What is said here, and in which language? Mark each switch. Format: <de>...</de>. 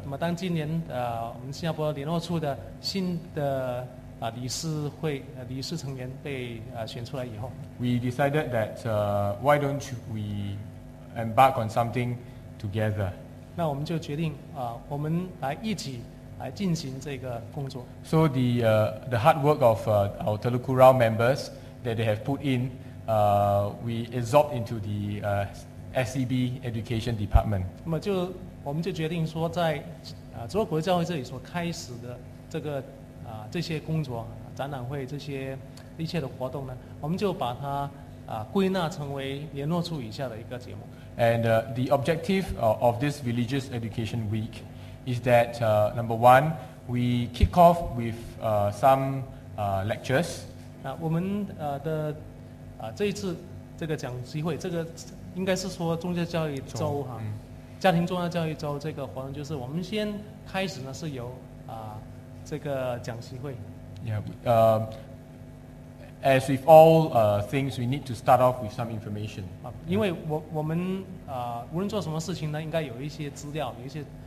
<zh>那么当今年我们新加坡联络处的新的理事会理事成员被选出来以后</zh> <en>，We decided that why don't we embark on something together？</en> <zh>那我们就决定我们来一起。来进行这个工作。</zh> <en>So the hard work of our Telok Kurau members that they have put in, we absorb into the SCB Education Department.</en> <zh>那么我们就决定说，在中国教会这里所开始的这个这些工作、展览会这些一切的活动呢，我们就把它归纳成为联络处以下的一个节目。</zh> <en>And the objective of this Religious Education Week. Is that number one, we kick off with some lectures.</en> <zh>我们的这一次这个讲机会，这个应该是说宗教教育周哈，家庭宗教教育周这个活动，就是我们先开始呢是由这个讲机会。</zh> <en>Yeah, as with all things, we need to start off with some information.</en> <zh>因为我们无论做什么事情呢，应该有一些资料，有一些。</zh>